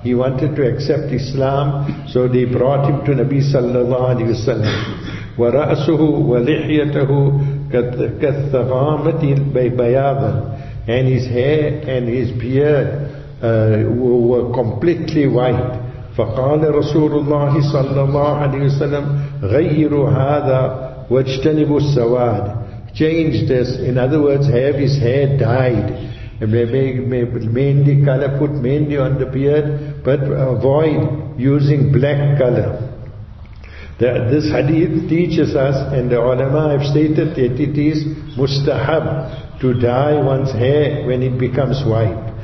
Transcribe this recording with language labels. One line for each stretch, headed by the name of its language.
English: He wanted to accept Islam, so they brought him to Nabi sallallahu alayhi wasallam.
Arabic: Wa ra'suhu wa lihyatuhu kathaghamati bayadan,
English: and his hair and his beard were completely white.
Arabic: فقال رسول الله صلى الله عليه وسلم غيروا هذا واجتنبوا السواد.
English: Change this. In other words, have his hair dyed. Mainly color, put mainly on the beard, but avoid using black color. This hadith teaches us, and the ulama have stated that it is mustahab to dye one's hair when it becomes white.